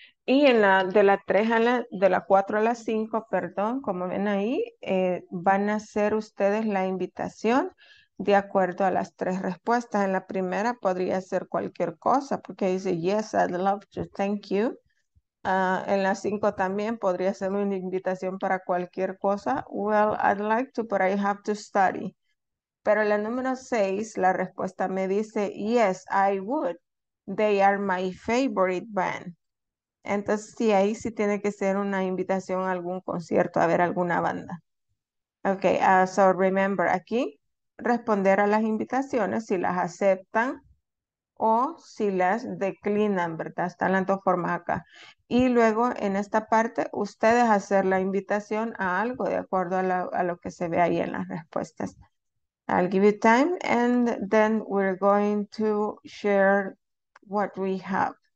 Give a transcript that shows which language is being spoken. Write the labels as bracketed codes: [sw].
[es] Y en la de la 3 a la, de la 4 a la 5, perdón, como ven ahí, van a hacer ustedes la invitación de acuerdo a las tres respuestas. En la primera podría ser cualquier cosa, porque dice, [en] yes, I'd love to, thank you. [es] En la 5 también podría ser una invitación para cualquier cosa. [en] Well, I'd like to, but I have to study. [es] Pero en la número 6, la respuesta me dice, [en] yes, I would. They are my favorite band. [es] Entonces, sí, ahí sí tiene que ser una invitación a algún concierto, a ver alguna banda. [en] Ok, so remember, [es] aquí responder a las invitaciones, si las aceptan o si las declinan, ¿verdad? Están las dos formas acá. Y luego, en esta parte, ustedes hacer la invitación a algo de acuerdo a lo que se ve ahí en las respuestas. [en] I'll give you time, and then we're going to share what we have.